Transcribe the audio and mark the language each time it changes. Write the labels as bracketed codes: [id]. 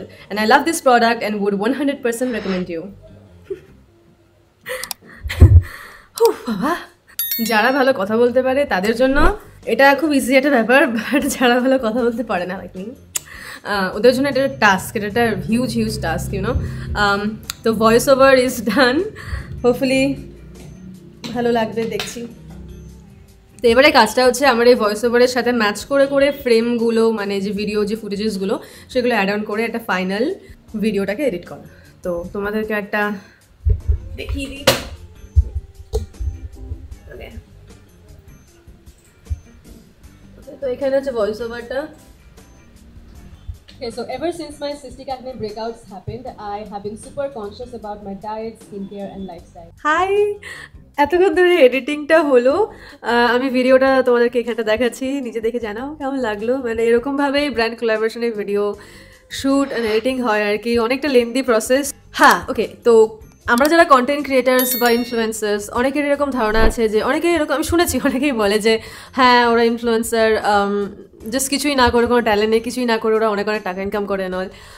[en] And I love this product and would 100% recommend you. [bn] যারা ভালো কথা বলতে পারে তাদের জন্য এটা খুব ইজি একটা ব্যাপার, বাট যারা ভালো কথা বলতে পারে না লাইকিং ওদের জন্য এটা টাস্ক, এটা একটা হিউজ টাস্ক, ইউনো। তো [en] voice over is done, hopefully [bn] ভালো লাগবে, দেখছি। তো এবারে কাজটা হচ্ছে আমার এই ভয়েস ওভারের সাথে ম্যাচ করে করে ফ্রেমগুলো, মানে যে ভিডিও যে ফুটেজেসগুলো সেগুলো অ্যাড অন করে একটা ফাইনাল ভিডিওটাকে এডিট করা। তো তোমাদেরকে একটা দেখিয়ে দিই। তো এখানে হচ্ছে voice ওভারটা। [en] Okay, so ever since my cystic acne breakouts happened, I have been super conscious about my diet, skincare and lifestyle. Hi! [bn] এতক্ষণ ধরে এডিটিংটা হলো, আমি ভিডিওটা তোমাদেরকে এখানটা দেখাচ্ছি, নিজে দেখে জানাও কেমন লাগলো। মানে এরকমভাবেই brand কোলাবোরেশনের video shoot and editing হয় আর কি, অনেকটা লেন্দি প্রসেস। হ্যাঁ, ওকে, তো আমরা যারা কন্টেন্ট ক্রিয়েটার্স বা ইনফ্লুয়েন্সার্স, অনেকের এরকম ধারণা আছে যে অনেকেই বলে যে হ্যাঁ ওরা ইনফ্লুয়েন্সার, জাস্ট কিছুই না করে, কোনো ট্যালেন্ট নেই, কিছুই না করে ওরা অনেক অনেক টাকা ইনকাম করে নল।